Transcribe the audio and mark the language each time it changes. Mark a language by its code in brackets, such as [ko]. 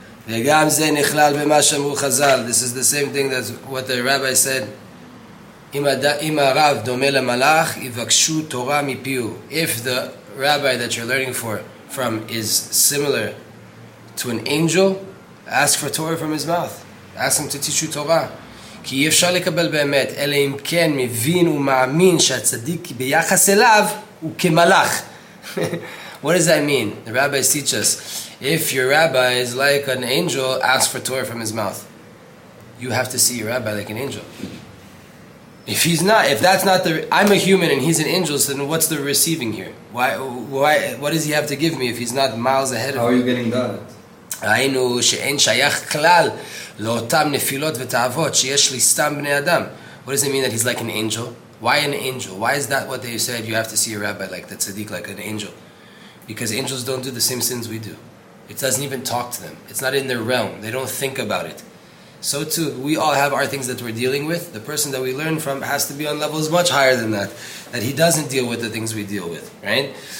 [en] This is the same thing that what the rabbi said. If the rabbi that you're learning from is similar to an angel, ask for Torah from his mouth. Ask him to teach you Torah. [he] כי אפשר לקבל באמת, אלא אם כן מבין ומאמין שהצדיק ביחס אליו הוא כמלאך. [en] What does that mean? The rabbis teach us. If your rabbi is like an angel, ask for Torah from his mouth. You have to see your rabbi like an angel. If he's not, if that's not the, I'm a human and he's an angel, so then what's the receiving here? Why? What does he have to give me if he's not miles ahead of me? How are you getting that? [he] ראינו שאין שייך כלל לאותם נפילות ותאוות שיש לי סתם בני אדם. [en] What does it mean that he's like an angel? Why an angel? Why is that what they said you have to see a rabbi like the tzaddik like an angel? Because angels don't do the same sins we do. It doesn't even talk to them. It's not in their realm. They don't think about it. So too, we all have our things that we're dealing with. The person that we learn from has to be on levels much higher than that. That he doesn't deal with the things we deal with, right?